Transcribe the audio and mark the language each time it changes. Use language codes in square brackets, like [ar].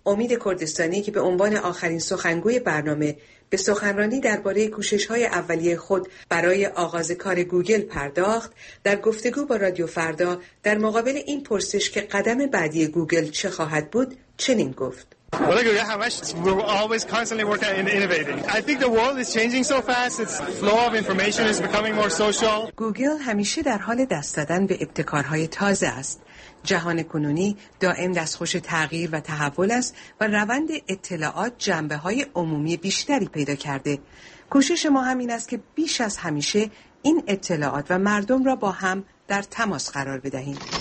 [fa] امید کردستانی که به عنوان آخرین سخنگوی برنامه به سخنرانی درباره کوشش‌های اولیه خود برای آغاز کار گوگل پرداخت، در گفتگو با رادیو فردا در مقابل این پرسش که قدم بعدی گوگل چه خواهد بود چنین گفت: [en] Well, look, yeah, how much we're always constantly working and innovating. I think the world is changing so fast. Its flow of information is becoming more social. [fa] گوگل همیشه در حال دست دادن به ابتکارهای تازه است. جهان کنونی دائم دستخوش تغییر و تحول است و روند اطلاعات جنبه‌های عمومی بیشتری پیدا کرده. کوشش ما همین است که بیش از همیشه این اطلاعات و مردم را با هم در تماس قرار بدهیم.